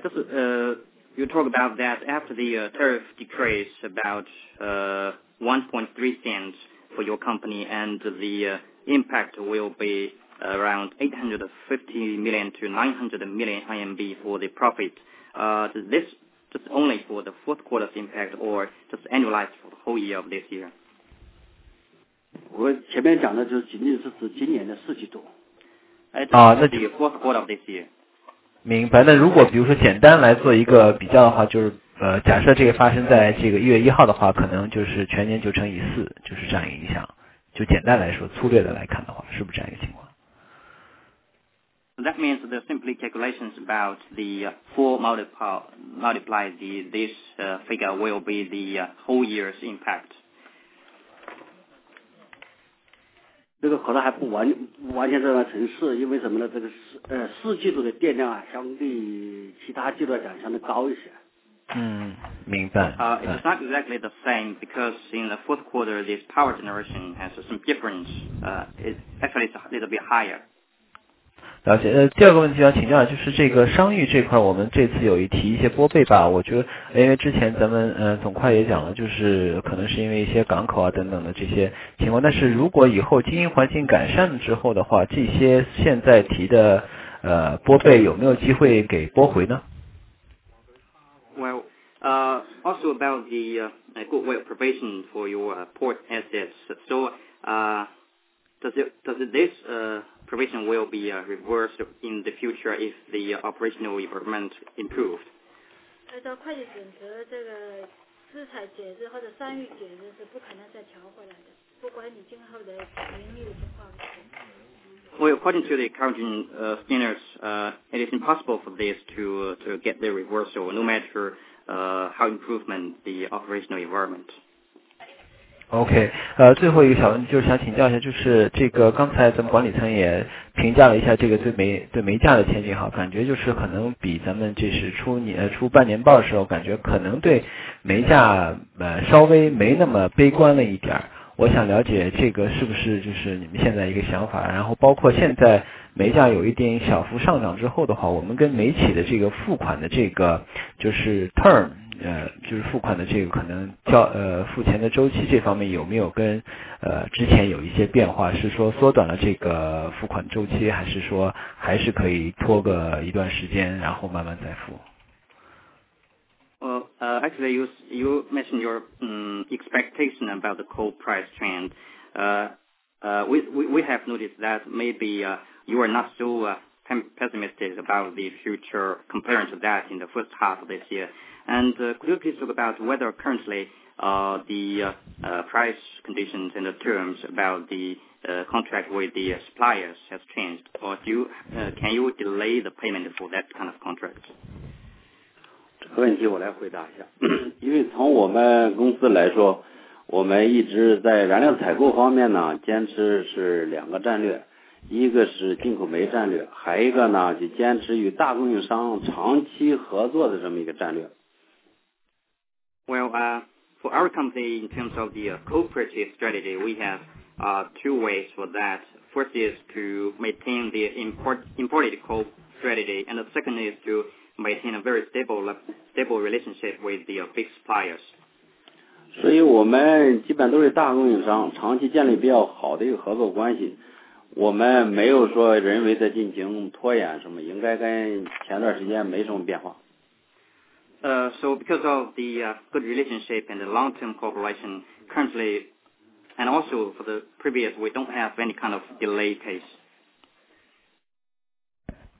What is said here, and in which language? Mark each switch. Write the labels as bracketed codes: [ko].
[en] You talk about that after the tariff decrease about 1.3 cents for your company, and the impact will be around 850 million to 900 million RMB for the profit. This just only for the fourth quarter's impact, or just annualized for the whole year of this year? [zh] 我前面讲的就是仅仅是指今年的四季度。那 [en] 就 fourth quarter of this year。 [zh] 明白。那如果比如说简单来做一个比较的话，就是假设这个发生在这个1月1号的话，可能就是全年就乘以4，就是这样一个影响。就简单来说，粗略的来看的话，是不是这样一个情况？ [en] That means the simply calculations about the 4 multiply this figure will be the whole year's impact. [zh] 这个可能还不完全这样成事，因为什么呢？这个四季度的电量啊，相对其他季度来讲，相对高一些。嗯，明白。 [en] It's not exactly the same because in the fourth quarter, this power generation has some difference. It actually is a little bit higher. [zh] 了解。第二个问题要请教，就是这个商誉这块，我们这次有一提一些拨备吧。我觉得，因为之前咱们总会也讲了，就是可能是因为一些港口啊等等的这些情况。但是如果以后经营环境改善之后的话，这些现在提的拨备有没有机会给拨回呢？ [en] Also about the goodwill provision for your port assets. So, does this provision will be reversed in the future if the operational improvement improved? [zh] 到会计准则这个资产减值或者商誉减值是不可能再调回来的，不管你今后的盈利的情况。 [en] Well, according to the accounting standards, it is impossible for this to get the reversal, no matter how improvement the operational environment. [zh] OK, 最后一个小问题就是想请教一下，就是这个刚才咱们管理层也评价了一下这个对煤价的前景，好，感觉就是可能比咱们这是初半年报的时候，感觉可能对煤价稍微没那么悲观了一点。我想了解这个是不是就是你们现在一个想法，然后包括现在煤价有一点小幅上涨之后的话，我们跟煤企的这个付款的这个就是 term 就是付款的这个可能交付钱的周期，这方面有没有跟之前有一些变化，是说缩短了这个付款周期，还是说还是可以拖个一段时间然后慢慢再付？ [en] Actually, you mentioned your expectation about the coal price trend. We have noticed that maybe you are not so pessimistic about the future compared to that in the first half of this year. And could you please talk about whether currently the price conditions and the terms about the contract with the suppliers has changed, or can you delay the payment for that kind of contract? [zh] 这个问题我来回答一下。因为从我们公司来说，我们一直在燃料采购方面呢坚持是两个战略，一个是进口煤战略，还一个呢就坚持与大供应商长期合作的这么一个战略。 [en] Well, for our company in terms of the coal purchase strategy, we have two ways for that. First is to maintain the imported coal strategy, and the second is to maintain a very stable relationship with the big suppliers. [zh] 所以我们基本都是大供应商，长期建立比较好的一个合作关系。我们没有说人为的进行拖延什么，应该跟前段时间没什么变化。 [en] So because of the good relationship and the long-term cooperation currently, and also for the previous, we don't have any kind of delay case.